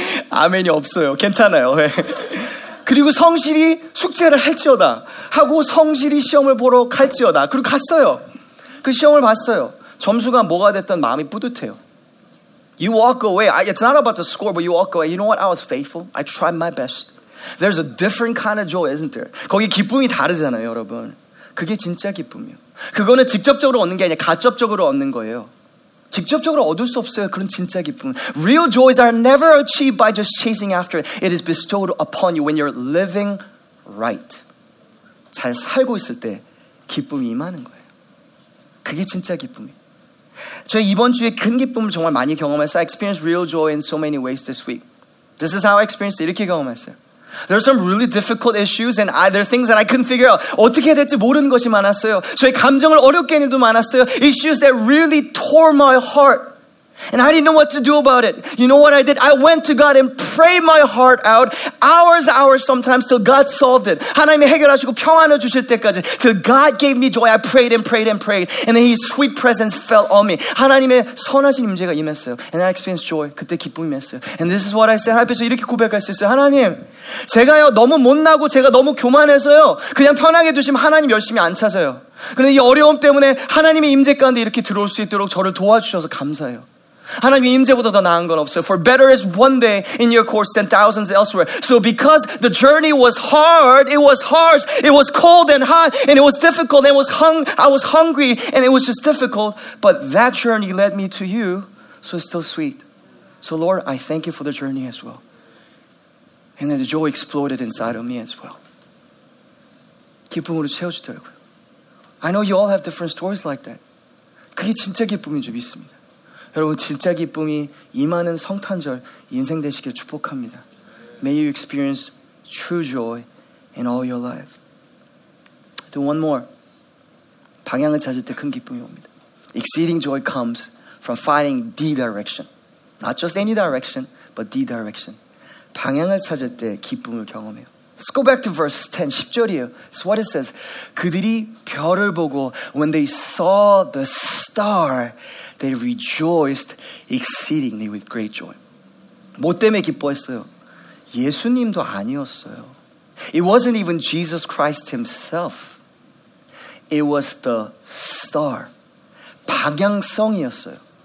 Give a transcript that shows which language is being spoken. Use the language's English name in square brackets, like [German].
[Korean] 아멘이 없어요. 괜찮아요. 그리고 성실히 숙제를 할지어다 하고 성실히 시험을 보러 갈지어다. 그리고 갔어요. 그 시험을 봤어요. 점수가 뭐가 됐든 마음이 뿌듯해요. [English] You walk away. It's not about the score, but you walk away. You know what? I was faithful. I tried my best. There's a different kind of joy, isn't there? [Korean] 거기 기쁨이 다르잖아요, 여러분. 그게 진짜 기쁨이요. 그거는 직접적으로 얻는 게 아니라 가접적으로 얻는 거예요. 직접적으로 얻을 수 없어요. 그런 진짜 기쁨. [English] Real joys are never achieved by just chasing after it. It is bestowed upon you when you're living right. [Korean] 잘 살고 있을 때 기쁨이 임하는 거예요. 그게 진짜 기쁨이에요. 저 이번 주에 큰 기쁨을 정말 많이 경험했어요. [English] I experienced real joy in so many ways this week. This is how I experienced it. [Korean] 이렇게 경험했어요. [English] There are some really difficult issues and there are things that I couldn't figure out. [Korean] 어떻게 해야 될지 모르는 것이 많았어요. 저의 감정을 어렵게 하는 일도 많았어요. [English] Issues that really tore my heart. And I didn't know what to do about it. You know what I did? I went to God and prayed my heart out. Hours, hours sometimes till God solved it. [Korean] 하나님이 해결하시고 평안을 주실 때까지. [English] Till God gave me joy. I prayed and prayed and prayed. And then His sweet presence fell on me. [Korean] 하나님의 선하신 임재가 임했어요. [English] And I experienced joy. [Korean] 그때 기쁨이 임했어요. [English] And this is what I said. [Korean] 하나님께서 이렇게 고백할 수 있어요. 하나님, 제가요 너무 못나고 제가 너무 교만해서요. 그냥 편하게 두시면 하나님 열심히 안 찾아요. 그런데 이 어려움 때문에 하나님의 임재 가운데 이렇게 들어올 수 있도록 저를 도와주셔서 감사해요. 하나님의 임재보다 더 나은 건 없어요. [English] For better is one day in your course than thousands elsewhere. So because the journey was hard, it was harsh, it was cold and hot, and it was difficult, and it was I was hungry, and it was just difficult, but that journey led me to you, so it's still sweet. So Lord, I thank you for the journey as well. And then the joy exploded inside of me as well. [Korean] 기쁨으로 채워주더라고요. [English] I know you all have different stories like that. [Korean] 그게 진짜 기쁨인 줄 믿습니다. 여러분 진짜 기쁨이 임하는 성탄절 인생 되시길 축복합니다. [English] May you experience true joy in all your life. Do one more. [Korean] 방향을 찾을 때 큰 기쁨이 옵니다. [English] Exceeding joy comes from finding the direction. Not just any direction, but the direction. [Korean] 방향을 찾을 때 기쁨을 경험해요. [English] Let's go back to verse 10, [Korean] 10절이에요. [English] So what it says, [Korean] 그들이 별을 보고 [English] when they saw the star, they rejoiced exceedingly with great joy. [Korean] 뭐 때문에 기뻐했어요? 예수님도 아니었어요. [English] It wasn't even Jesus Christ himself. It was the star. [Korean] 방향성이었어요.